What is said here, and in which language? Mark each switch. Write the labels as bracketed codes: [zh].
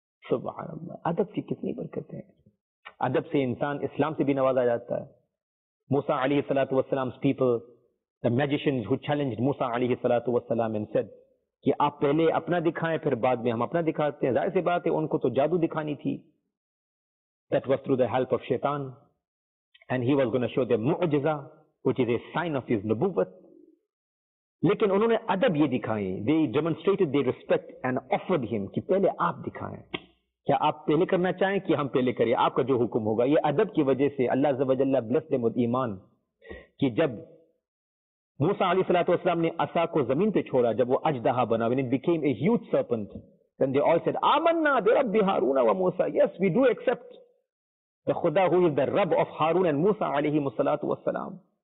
[ur] سبحان اللہ, ادب کی کتنی برکتیں ہیں. ادب سے انسان اسلام سے بھی نوازا جاتا ہے. موسیٰ علیہ الصلوۃ والسلام [en] 's people, the magicians who challenged [ur] موسیٰ علیہ الصلوۃ والسلام and said کہ آپ پہلے اپنا دکھائیں پھر بعد میں ہم اپنا دکھاتے ہیں. ظاہر سی بات ہے ان کو تو جادو دکھانی تھی. [en] That was through the help of شیطان and he was going to show them معجزہ which is a sign of his نبوت. [ur] لیکن انہوں نے ادب یہ دکھائی, [en] they demonstrated their respect and offered him [ur] کہ پہلے آپ دکھائیں, کیا آپ پہلے کرنا چاہیں کہ ہم پہلے کریں, آپ کا جو حکم ہوگا. یہ ادب کی وجہ سے اللہ عز و جل بلس دے مد ایمان کہ جب موسیٰ علیہ الصلوۃ والسلام نے عصا کو زمین پہ چھوڑا, جب وہ اجدہا بنا, [en] when it became a huge serpent, then they all said [ar] آمنا برب ہارون و موسیٰ, [en] yes we do accept the Khuda who is the Rab of Haroon and [ur] موسیٰ علیہ الصلوۃ والسلام.